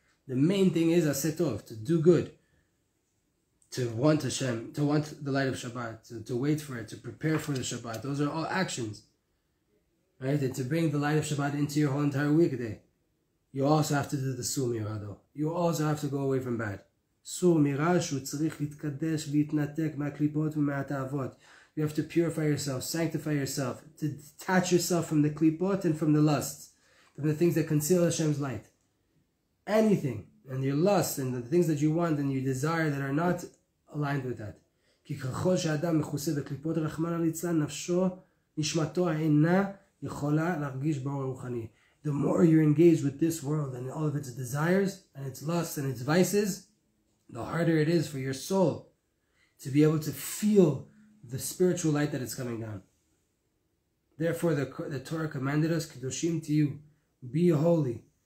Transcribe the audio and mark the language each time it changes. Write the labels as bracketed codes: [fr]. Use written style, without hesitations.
[en] The main thing is asetov, to do good. To want Hashem, to want the light of Shabbat, to wait for it, to prepare for the Shabbat. Those are all actions. Right? And to bring the light of Shabbat into your whole entire weekday. You also have to do the sumira though. You also have to go away from bad. [he] סור מרע שהוא צריך להתקדש ולהתנתק מהקליפות ומהתאבות. [en] You have to purify yourself, sanctify yourself, to detach yourself from the klipot and from the lusts, from the things that conceal Hashem's light. Anything, and your lusts, and the things that you want and you desire that are not aligned with that. [he] כי ככל שאדם מכוסה בקליפות רחמן על יצלן, נפשו, נשמתו אינה יכולה להרגיש באור רוחני. [en] The more you're engaged with this world and all of its desires and its lusts and its vices, the harder it is for your soul to be able to feel the spiritual light that is coming down. Therefore, the Torah commanded us, "Kedoshim to you, be holy."